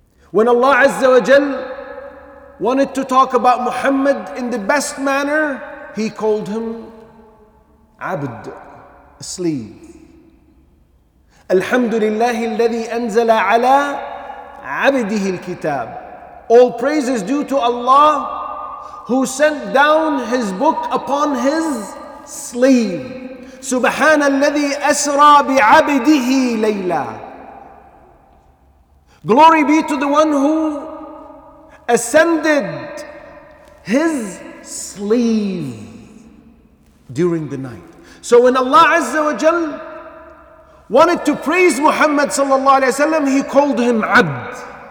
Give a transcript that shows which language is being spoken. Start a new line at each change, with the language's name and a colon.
English: When Allah Azza wa Jal wanted to talk about Muhammad in the best manner, He called him Abd, a slave.
Arabic: Alhamdulillahi alladhi anzala ala عبده الكتاب.
English: All praise is due to Allah who sent down His book upon His slave.
Arabic: سبحان الذي أسرى بعبده ليلا.
English: Glory be to the one who ascended His slave during the night. So when Allah Azza wa Jal wanted to praise Muhammad sallallahu alaihi wasallam, He called him Abd.